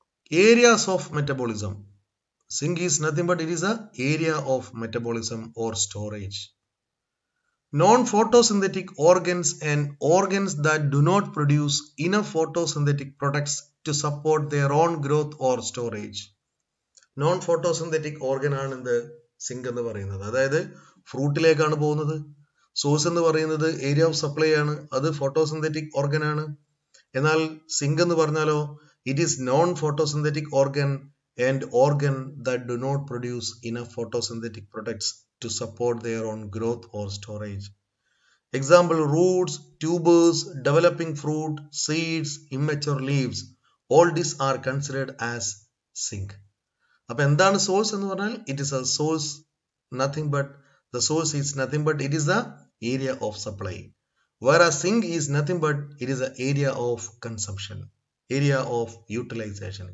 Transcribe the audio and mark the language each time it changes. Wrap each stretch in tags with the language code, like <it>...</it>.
<en>Areas of metabolism. Sink is nothing but it is a area of metabolism or storage. Non-photosynthetic organs and organs that do not produce enough photosynthetic products to support their own growth or storage.</en> <ml>Non-photosynthetic organ ആണ് ഇത് zinc എന്ന് പറയുന്നത്. അതായത് ഫ്രൂട്ടിലേക്കാണ് പോകുന്നത്. Source എന്ന് പറയുന്നത് area of supply ആണ്, അത് ഫോട്ടോസിന്തറ്റിക് ഓർഗൻ ആണ്. എന്നാൽ സിങ്ക് എന്ന് പറഞ്ഞാലോ,</ml> <en>It is non photosynthetic organ and organ that do not produce enough photosynthetic products to support their own growth or storage. Example, roots, tubers, developing fruit, seeds, immature leaves, all these are considered as sink.</en> <ml>Appa endana source ennu parnal,</ml> <en>it is a source, nothing but the source is nothing but it is the area of supply, whereas sink is nothing but it is a area of consumption, area of utilization.</en>